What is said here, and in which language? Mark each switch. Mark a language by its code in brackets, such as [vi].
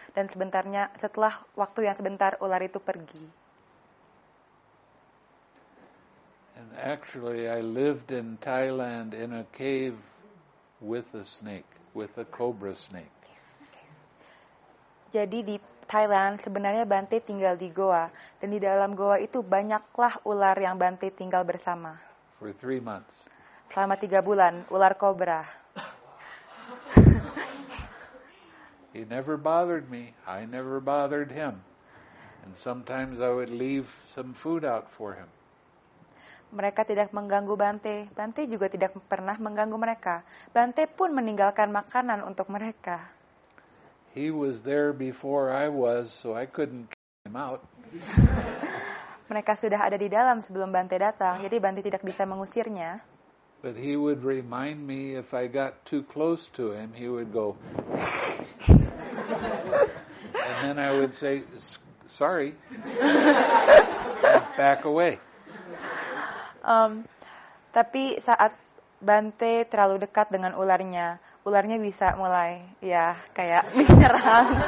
[id] Dan sebentarnya setelah waktu yang sebentar ular itu pergi. [en] And actually I lived in Thailand in a cave with a snake, with a cobra snake. [id] Jadi di Thailand sebenarnya Bante tinggal di goa dan di dalam goa itu banyaklah ular yang Bante tinggal bersama. [en] For 3 months. [id] Selama 3 bulan ular kobra. [en] He never bothered me. I never bothered him. And sometimes I would leave some food out for him. [id] Mereka tidak mengganggu Bante. Bante juga tidak pernah mengganggu mereka. Bante pun meninggalkan makanan untuk mereka. [en] He was there before I was, so I couldn't kick him out. [id] Mereka sudah ada di dalam sebelum Bante datang, jadi Bante tidak bisa mengusirnya. [en] But he would remind me if I got too close to him, he would go. And then I would say, sorry. Back away. [id] Tapi saat Bante terlalu dekat dengan ularnya, ularnya bisa mulai, ya, kayak menyerang.